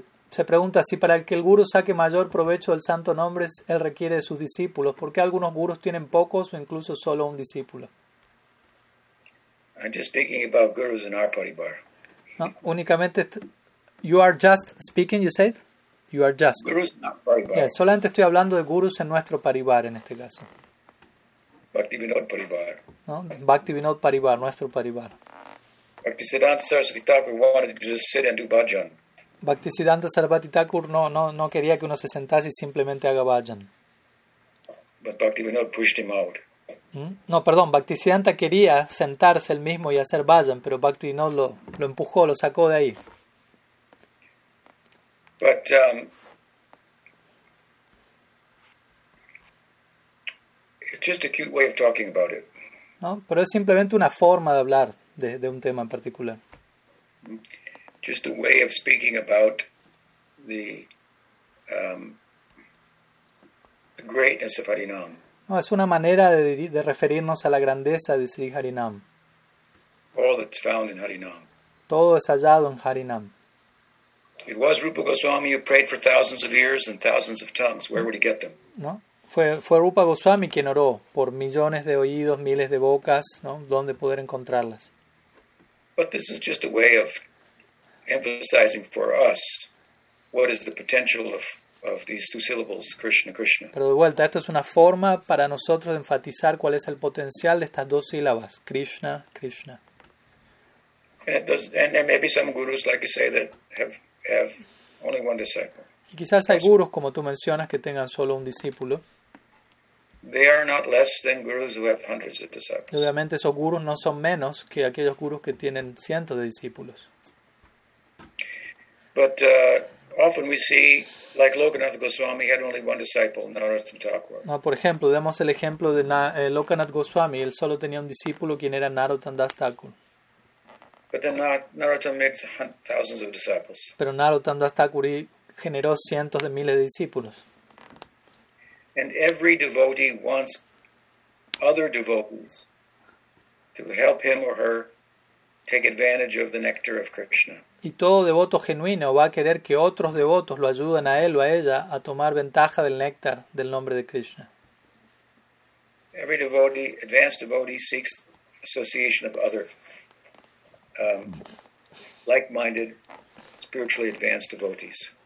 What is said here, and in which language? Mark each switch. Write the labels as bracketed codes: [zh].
[es] Se pregunta si para el que el guru saque mayor provecho del santo nombre, él requiere de sus discípulos. ¿Por qué algunos gurus tienen pocos o incluso solo un discípulo? [en] I'm just speaking about gurus in our party bar. [es] No, únicamente. [en] You are just speaking, you said? You are just. Gurus in our party bar. [es] Yes, solamente estoy hablando de gurus en nuestro paribar en este caso. Bhaktivinod paribar. No? Bhaktivinod paribar, nuestro paribar. [en] Bhaktisiddhanta Saraswati Thakur wanted to just sit and do bhajan. [es] Bhaktisiddhanta Saraswati Thakur no quería que uno se sentase y simplemente haga bhajan. [en] But Bhaktivinod pushed him out. [es] No, perdón, Bhaktisiddhanta quería sentarse él mismo y hacer bhajan, pero Bhaktivinod lo empujó, lo sacó de ahí. [en] But it's just a cute way of talking about it. [es] No, pero es simplemente una forma de hablar de un tema en particular. [en] Just a way of speaking about the greatness of Harinam. [es] No, es una manera de referirnos a la grandeza de Sri Harinam. [en] All that's found in Harinam. [es] Todo es hallado en Harinam. [en] It was Rupa Goswami who prayed for thousands of ears and thousands of tongues. Where would he get them? [es] No, fue Rupa Goswami quien oró por millones de oídos, miles de bocas, ¿no? ¿Dónde poder encontrarlas? [en] But this is just a way of emphasizing for us what is the potential of these two syllables, Krishna, Krishna. [es] Pero de vuelta, esto es una forma para nosotros de enfatizar cuál es el potencial de estas dos sílabas, Krishna, Krishna. [en] And there may be some gurus, like you say, that have only one disciple. [es] Y quizás hay gurus, como tú mencionas, que tengan solo un discípulo. [en] They are not less than gurus who have hundreds of disciples. [es] Obviamente esos gurus no son menos que aquellos gurus que tienen cientos de discípulos. [en] But often we see, like Lokanath Goswami had only one disciple, Narottam Thakur. [es] No, por ejemplo, demos el ejemplo de Lokanath Goswami, él solo tenía un discípulo, quien era Narottam Das Thakur. [en] But then Narottam made thousands of disciples. [es] Pero Narottam Das Thakur generó cientos de miles de discípulos. [en] And every devotee wants other devotees to help him or her take advantage of the nectar of Krishna. [es] Y todo devoto genuino va a querer que otros devotos lo ayuden a él o a ella a tomar ventaja del néctar del nombre de Krishna. [en] Every devotee, advanced devotee, seeks association of other like-minded, spiritually advanced devotees.